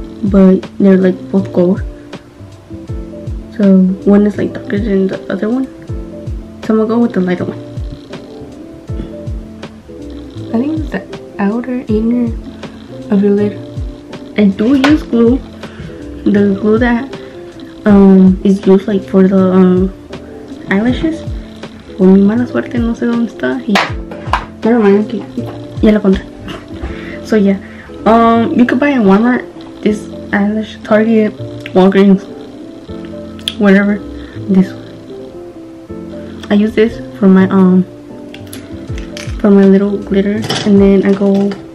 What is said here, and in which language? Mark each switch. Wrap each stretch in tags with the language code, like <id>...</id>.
<en>But they're like both gold. So one is like darker than the other one. So I'm gonna go with the lighter one. I think it's the outer, inner of your lid. I do use glue, the glue that is used like for the eyelashes.</en> <es>Por mi mala suerte no sé dónde está.</es> <en>Never mind,</en> <es>aquí ya la pondré.</es> <en>So yeah, you can buy at Walmart, this eyelash, Target, Walgreens, whatever. This one. I use this for my little glitter, and then I go.</en>